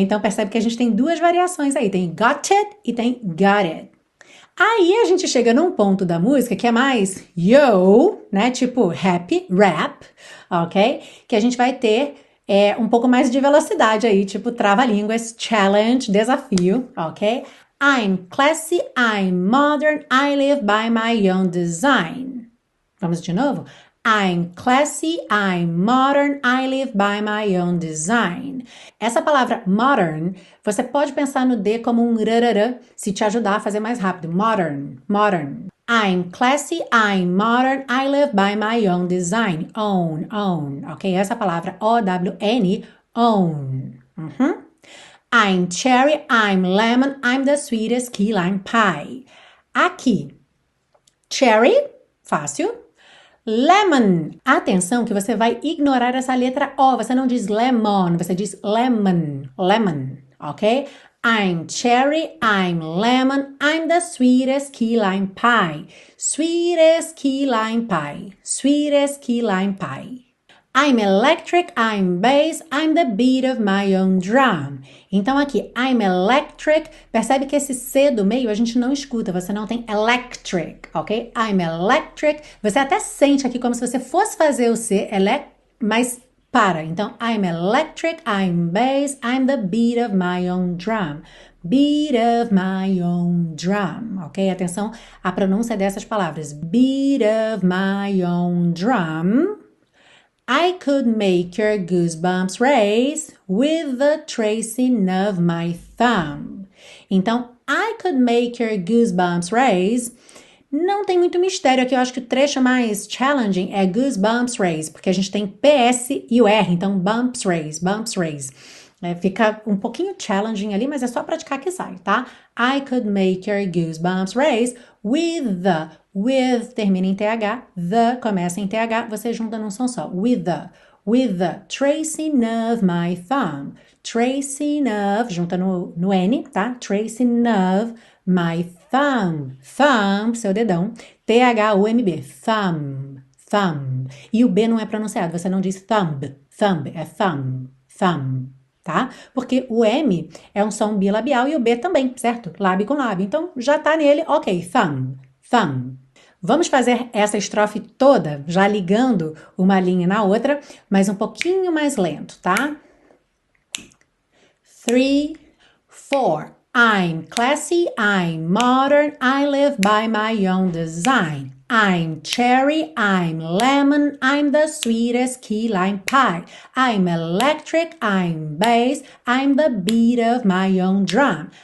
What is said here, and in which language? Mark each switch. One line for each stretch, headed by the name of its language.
Portuguese: Então, percebe que a gente tem duas variações aí, tem got it e tem got it. Aí a gente chega num ponto da música que é mais yo, né? Tipo happy, rap, ok? Que a gente vai ter um pouco mais de velocidade aí, tipo trava-línguas, challenge, desafio, ok?
English: I'm classy, I'm modern, I live by my own design.
Portuguese: Vamos de novo?
English: I'm classy, I'm modern, I live by my own design.
Portuguese: Essa palavra modern, você pode pensar no D como um rarara, se te ajudar a fazer mais rápido.
English: Modern, modern. I'm classy, I'm modern, I live by my own design. Own, own. Ok,
Portuguese: essa palavra
English: O-W-N, own. Uh-huh. I'm cherry, I'm lemon, I'm the sweetest key lime pie.
Portuguese: Aqui, cherry, fácil. Lemon. Atenção que você vai ignorar essa letra O. Você não diz lemon, você diz lemon.
English: Lemon, ok? I'm cherry, I'm lemon, I'm the sweetest key lime pie. Sweetest key lime pie. Sweetest key lime pie. I'm electric, I'm bass, I'm the beat of my own drum.
Portuguese: Então aqui,
English: I'm electric.
Portuguese: Percebe que esse C do meio a gente não escuta, você não tem electric, ok?
English: I'm electric.
Portuguese: Você até sente aqui como se você fosse fazer o C, mas para.
English: Então, I'm electric, I'm bass, I'm the beat of my own drum. Beat of my own drum, ok?
Portuguese: Atenção à pronúncia dessas palavras.
English: Beat of my own drum. I could make your goosebumps raise with the tracing of my thumb. Então, I could make your goosebumps raise.
Portuguese: Não tem muito mistério aqui. Eu acho que o trecho mais challenging é goosebumps raise. Porque a gente tem PS e o R. Então, bumps raise, bumps raise. Fica um pouquinho challenging ali, mas é só praticar que sai, tá?
English: I could make your goosebumps raise with the...
Portuguese: With termina em TH, the começa em TH, você junta num som só.
English: With the tracing of my thumb. Tracing of,
Portuguese: junta no N, tá?
English: Tracing of my thumb. Thumb,
Portuguese: seu dedão.
English: THUMB, thumb, thumb.
Portuguese: E o B não é pronunciado, você não diz thumb, thumb, é thumb, thumb. Tá? Porque o M é um som bilabial e o B também, certo? Lábio com lábio. Então, já tá nele, ok, thumb, thumb. Vamos fazer essa estrofe toda, já ligando uma linha na outra, mas um pouquinho mais lento, tá?
English: Three, four. I'm classy, I'm modern, I live by my own design. I'm cherry, I'm lemon, I'm the sweetest key lime pie. I'm electric, I'm bass, I'm the beat of my own drum.